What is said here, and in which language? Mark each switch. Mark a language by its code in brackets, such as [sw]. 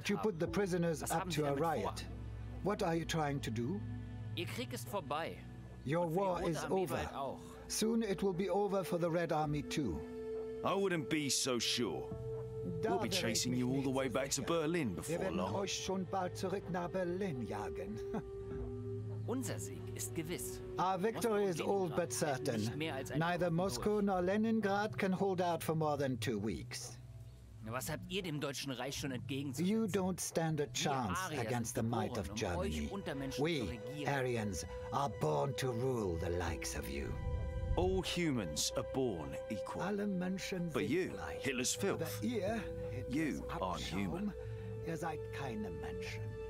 [en] That you put the prisoners up to a riot. What are you trying to do? [de] Ihr Krieg ist vorbei. [en] Your war is over. Soon it will be over for the Red Army too. I wouldn't be so sure. We'll be chasing you all the way back to Berlin before long. [de] Wir werden euch schon bald zurück nach Berlin jagen. Unser Sieg ist gewiss. [en] Our victory is all but certain. Neither Moscow nor Leningrad can hold out for more than 2 weeks. [de] Was habt ihr dem Deutschen Reich schon entgegenzusetzen? [en] You don't stand a chance against the might of Germany. We, Aryans, are born to rule the likes of you. All humans are born equal. But you, Hitler's filth, you are human. [de] Ihr seid keine Menschen.